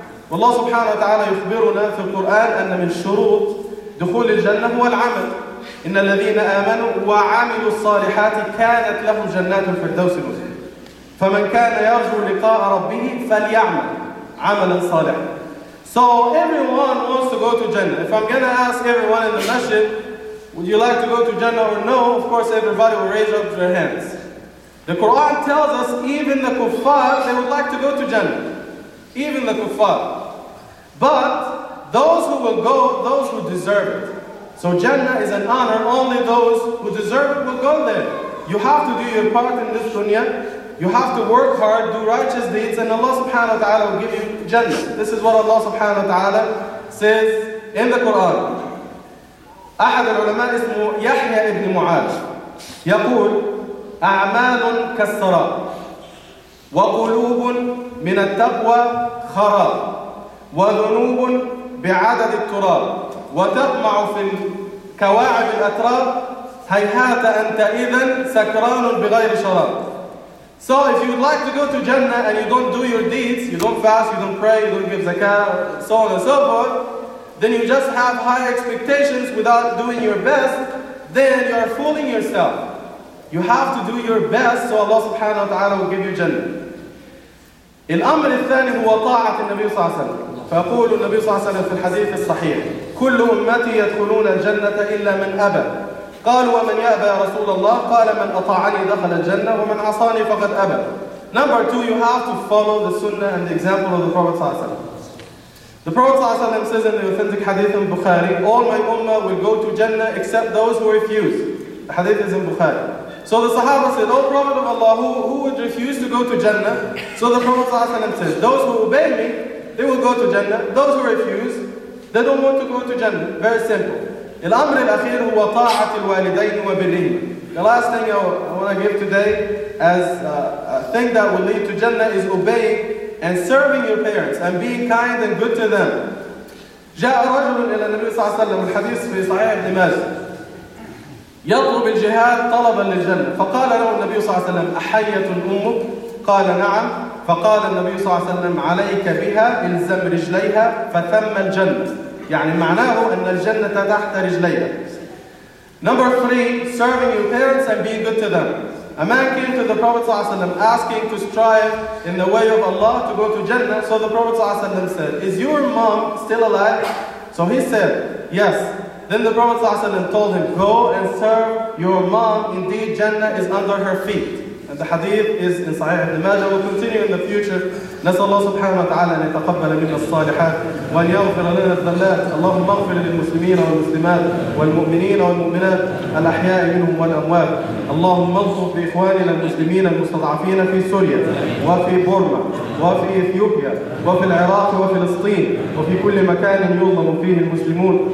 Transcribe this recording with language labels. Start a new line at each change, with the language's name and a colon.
Arabic: والله سبحانه وتعالى يخبرنا في القرآن أن من شروط دخول الجنة هو العمل. إن الذين آمنوا وعملوا الصالحات كانت لهم جنات الفردوس نزلا. فمن كان يرجو لقاء ربه فليعمل عملا صالحا.
English: So everyone wants to go to Jannah. If I'm gonna ask everyone in the masjid, would you like to go to Jannah or no? Of course, everybody will raise up their hands. The Quran tells us even the kuffar, they would like to go to Jannah. Even the kuffar. But those who will go, those who deserve it. So Jannah is an honor, only those who deserve it will go there. You have to do your part in this dunya, You have to work hard, do righteous deeds, and Allah subhanahu wa ta'ala will give you Jannah. This is what Allah subhanahu wa ta'ala says in the Quran.
Arabic: أحد العلماء اسمه يحيى ابن معاذ يقول أعمال كالسراب وقلوب من التقوى خراب وذنوب بعدد التراب وتطمع في كواعب الأتراب هيهات أنت إذن سكران بغير شراب.
English: So if you'd like to go to Jannah and you don't do your deeds, you don't fast, you don't pray, you don't give zakah, so on and so forth, then you just have high expectations without doing your best, then you are fooling yourself. You have to do your best so Allah subhanahu wa ta'ala will give you Jannah.
Arabic: الأمر الثاني هو طاعة النبي صلى الله عليه وسلم. فيقول النبي صلى الله عليه وسلم في الحديث الصحيح كل أمتي يدخلون الجنة إلا من أبى. قال ومن يأبى يا رسول الله؟ قال من أطاعني دخل الجنة ومن عصاني فقد أبى.
English: Number two, you have to follow the sunnah and the example of the Prophet
Arabic: صلى الله عليه وسلم.
English: The Prophet
Arabic: صلى الله عليه وسلم
English: says in the authentic hadith in Bukhari, all my ummah will go to Jannah except those who refuse. The hadith is in Bukhari. So the Sahaba said, O Prophet of Allah, who would refuse to go to Jannah? So the Prophet
Arabic: صلى الله عليه وسلم
English: says, those who obey me, they will go to Jannah. Those who refuse, they don't want to go to Jannah. Very simple.
Arabic: الأمر الأخير هو طاعة الوالدين وبرهما.
English: The last thing I want to give today as a thing that will lead to Jannah is obeying and serving your parents and being kind and good to them.
Arabic: جاء رجل إلى النبي صلى الله عليه وسلم الحديث في صحيح ابن ماجه يطلب الجهاد طلبا للجنة. فقال له النبي صلى الله عليه وسلم أحية أمك؟ قال نعم. فقال النبي صلى الله عليه وسلم عليك بها إلزم رجليها فثم الجنة. يعني معناه أن الجنة تحت رجليها.
English: Number three, serving your parents and being good to them. A man came to the Prophet
Arabic: صلى الله عليه وسلم
English: asking to strive in the way of Allah to go to Jannah. So the Prophet
Arabic: صلى الله عليه وسلم
English: said, is your mom still alive? So he said, yes. Then the Prophet
Arabic: صلى الله عليه وسلم
English: told him, go and serve your mom. Indeed, Jannah is under her feet. And the hadith is in Sahih ibn Majah. We'll continue in the future.
Arabic: نسأل الله سبحانه وتعالى أن يتقبل منا الصالحات وأن يغفر لنا الذلات. اللهم اغفر للمسلمين والمسلمات والمؤمنين والمؤمنات الأحياء منهم والأموات. اللهم انصر بإخواننا المسلمين المستضعفين في سوريا وفي بورما وفي إثيوبيا وفي العراق وفلسطين وفي كل مكان يظلم فيه المسلمون.